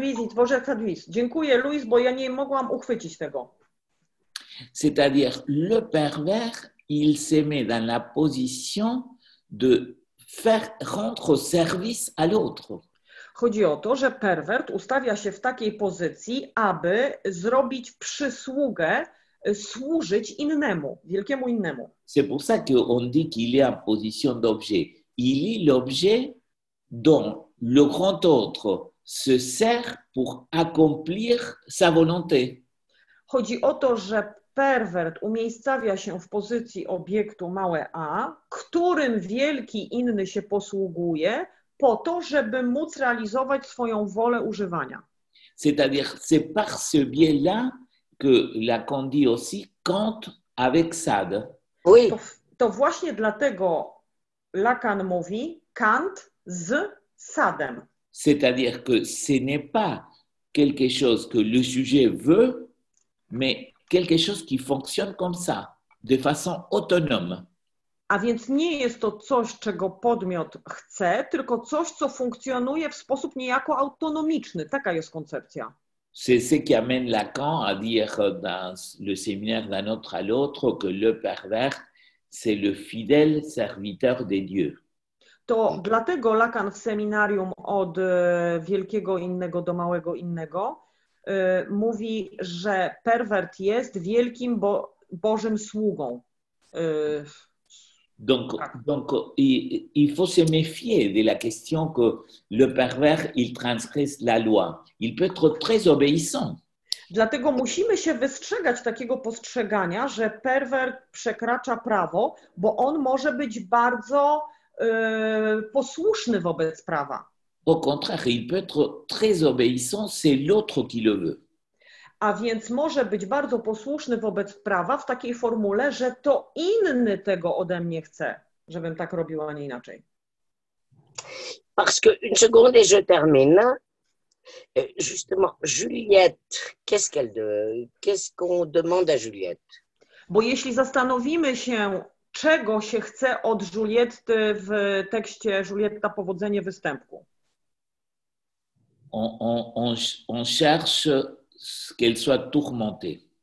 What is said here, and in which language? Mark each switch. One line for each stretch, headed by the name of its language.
Polish: Tworzę traduizm, dziękuję, Louise, bo ja nie mogłam uchwycić tego.
French: C'est-à-dire, le pervers, il se met dans la position de faire rendre service à l'autre.
Polish: Chodzi o to, że pervert ustawia się w takiej pozycji, aby zrobić przysługę, służyć innemu, wielkiemu innemu.
French: C'est pour ça qu'on dit qu'il est en position d'objet. Il est l'objet dont le grand autre se sert pour accomplir sa volonté.
Polish: Chodzi o to, że pervert umiejscawia się w pozycji obiektu małe a, którym wielki inny się posługuje, po to, żeby móc realizować swoją wolę używania.
French: C'est-à-dire, c'est par ce biais-là que Lacan dit aussi compte avec Sade. Oui.
Polish: To właśnie dlatego Lacan mówi Kant z Sadem.
French: C'est-à-dire que ce n'est pas quelque chose que le sujet veut, mais quelque chose qui fonctionne comme ça, de façon autonome.
Polish: A więc nie jest to coś, czego podmiot chce, tylko coś, co funkcjonuje w sposób niejako autonomiczny. Taka jest koncepcja.
French: C'est ce qui amène Lacan à dire dans le séminaire d'un autre à l'autre que le pervers, c'est le fidèle serviteur des dieux.
Polish: To dlatego Lacan w seminarium od wielkiego innego do małego innego mówi, że pervert jest wielkim Bożym sługą.
French: Donc il faut se méfier de la question que le pervers il transgresse la loi. Il peut être très obéissant.
Polish: Dlatego musimy się wystrzegać takiego postrzegania, że pervert przekracza prawo, bo on może być bardzo posłuszny wobec prawa.
French: Au contraire, il peut être très obéissant, c'est l'autre qui le veut.
Polish: A więc może być bardzo posłuszny wobec prawa w takiej formule, że to inny tego ode mnie chce, żebym tak robił, a nie inaczej.
French: Parce que une seconde et je termine. Justement, Juliette, qu'est-ce qu'on demande à Juliette?
Polish: Bo jeśli zastanowimy się, czego się chce od Juliette w tekście Julietta powodzenie występku.
French: On cherche qu'elle soit tourmentée.